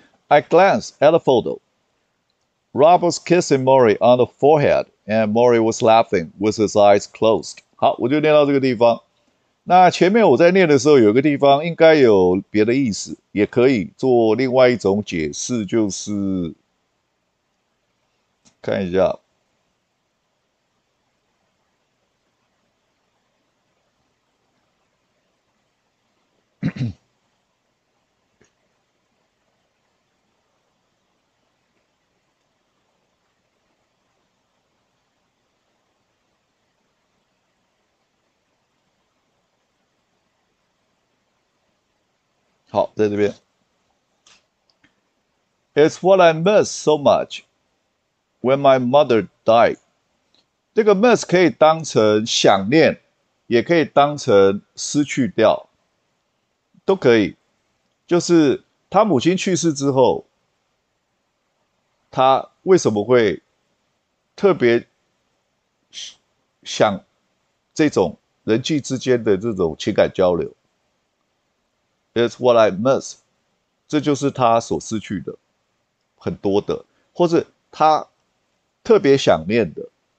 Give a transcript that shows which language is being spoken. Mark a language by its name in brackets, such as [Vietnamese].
[English] I glanced at a photo. Rob was kissing Maury on the forehead, and Maury was laughing with his eyes closed. [Chinese] 好，我就念到这个地方。那前面我在念的时候，有一个地方应该有别的意思，也可以做另外一种解释，就是看一下。好，在这边。 [English] It's what I miss so much when my mother died. [Chinese] 这个 miss 可以当成想念，也可以当成失去掉，都可以。就是他母亲去世之后，他为什么会特别想这种人际之间的这种情感交流？ [English] It's what I miss， [Chinese] 这就是他所失去的很多的，或是他特别想念的。